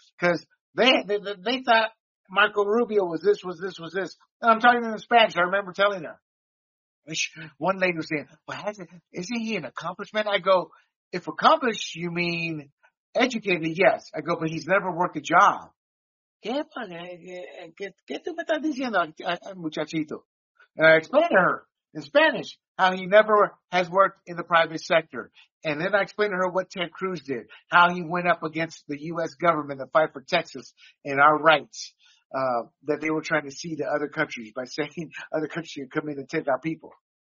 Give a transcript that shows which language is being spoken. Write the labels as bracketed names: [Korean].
[English] Because they thought Marco Rubio was this. And I'm talking in Spanish. I remember telling her. One lady was saying, well, isn't he an accomplishment? I go, if accomplished, you mean, educated, yes. I go, but he's never worked a job. [Spanish] ¿Qué tú me estás diciendo, muchachito? [English] And I explained to her in Spanish how he never has worked in the private sector. And then I explained to her what Ted Cruz did, how he went up against the U.S. government to fight for Texas and our rights that they were trying to cede to other countries by saying other countries could come in and take our people.